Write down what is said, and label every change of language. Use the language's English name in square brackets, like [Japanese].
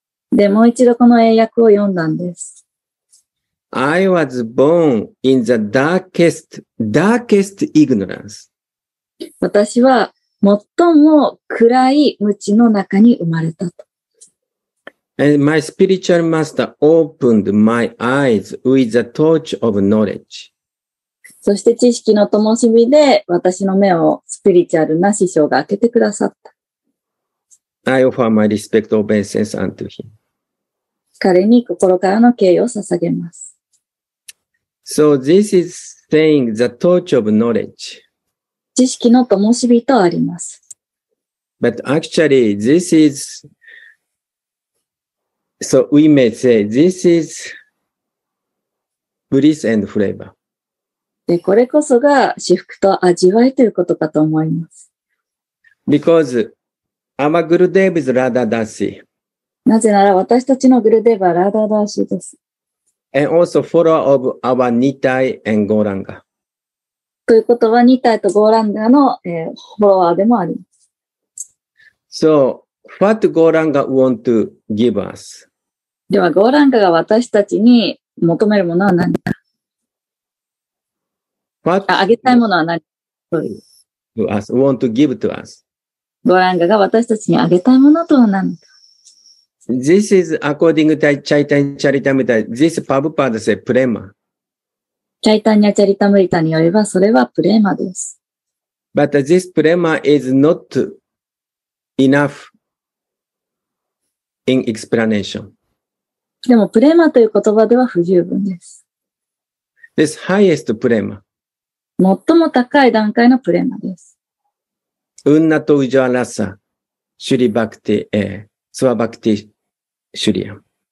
[Japanese] で、もう一度この英訳を読んだんです。 [English] I was born in the darkest ignorance. [Japanese] 私は最も暗い無知の中に生まれたと。 [English] And my spiritual master opened my eyes with the torch of knowledge. [Japanese] そして知識の灯火で私の目をスピリチュアルな師匠が開けてくださった。 [English] I offer my respect obeisance unto him. [Japanese] 彼に心からの敬意を捧げます。 [English] So this is saying the torch of knowledge. [Japanese] 知識の灯火とあります。 [English] But actually, this is, so we may say, this is bliss and flavor. [Japanese] で、これこそが至福と味わいということかと思います。 [English] Because our Gurudev is Radha Dasi. [Japanese] なぜなら私たちのグルデーヴはラダダーシーです。 [English] And also follower of our Nitai and Gauranga. [Japanese] ということは、ニタイとゴーランガの、フォロワーでもあります。 [English] So, what Gauranga want to give us? [Japanese] では、ゴーランガが私たちに求めるものは何か [English] ?What? [Japanese] あげたいものは何 [English] か ?To us, want to give to us. [Japanese] ゴーランガが私たちにあげたいものとは何か [English] ?This is according to Chaitanya Charitamrita, this Prabhupada said prema. [Japanese] チャイタニャチャリタムリタによれば、それはプレーマです。 [English] But this prema is not enough in explanation. [Japanese] でも、プレーマという言葉では不十分です。 [English] This highest prema. [Japanese] 最も高い段階のプレーマです。 [Sanskrit] ウンナトウジャラサ、シュリバクティ、スワバクティ、シュリアン。